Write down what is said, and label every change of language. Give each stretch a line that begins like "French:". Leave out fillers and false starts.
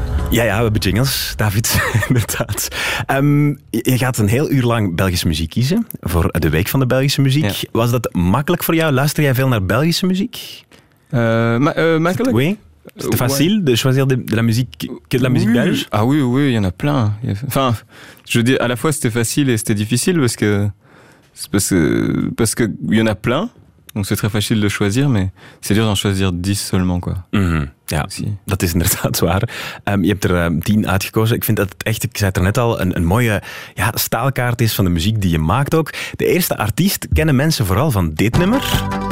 Dutch: Ja, we hebben jingles, David, inderdaad. Je gaat een heel uur lang Belgische muziek kiezen voor de Week van de Belgische Muziek. Ja. Was dat makkelijk voor jou? Luister jij veel naar Belgische muziek? Makkelijk?
French: Oui. C'est facile de choisir de la musique belge? Ah oui, oui, il y en a plein. Enfin, je veux dire, à la fois c'était facile et c'était difficile parce que il y en a plein. Donc c'est très facile de choisir, mais c'est dur d'en choisir 10 seulement, quoi. Mm-hmm.
Dutch: Ja, dat is inderdaad waar. Je hebt er 10 uitgekozen. Ik vind dat het echt, ik zei het er net al, een mooie staalkaart is van de muziek die je maakt ook. De eerste artiest kennen mensen vooral van dit nummer.